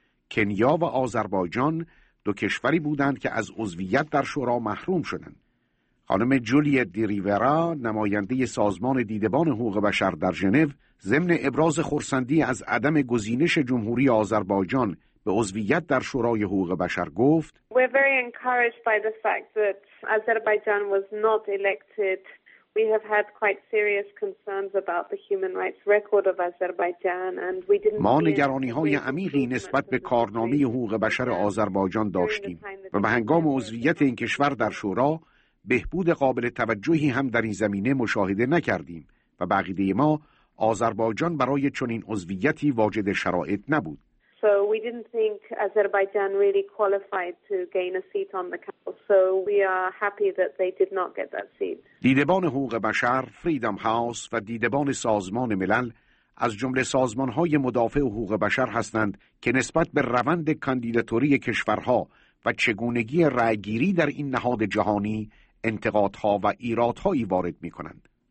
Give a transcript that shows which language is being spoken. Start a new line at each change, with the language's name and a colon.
Persian: کنیا و آذربایجان دو کشوری بودند که از عضویت در شورا محروم شدند. خانم جولیت دی ریورا نماینده سازمان دیدبان حقوق بشر در ژنو ضمن ابراز خرسندی از عدم گزینش جمهوری آذربایجان به عضویت در شورای حقوق بشر گفت
English: We're very encouraged by the fact that Azerbaijan was not elected. We have had quite serious concerns about the human rights record of Azerbaijan and we didn't
Persian: ما نگرانی‌های عمیقی نسبت به کارنامه حقوق بشر آذربایجان داشتیم و به هنگام عضویت این کشور در شورا بهبود قابل توجهی هم در این زمینه مشاهده نکردیم و بقیده ما آذربایجان برای چنین عضویتی واجد شرایط نبود.
English: So we didn't think Azerbaijan really qualified to gain a seat on the council. So we are happy that they did not get that seat.
Persian: دیدبان حقوق بشر، فریدم هاوس و دیدبان سازمان ملل از جمله سازمان‌های مدافع حقوق بشر هستند که نسبت به روند کاندیداتوری کشورها و چگونگی رأی‌گیری در این نهاد جهانی انتقادها و ایرادهایی وارد می‌کنند.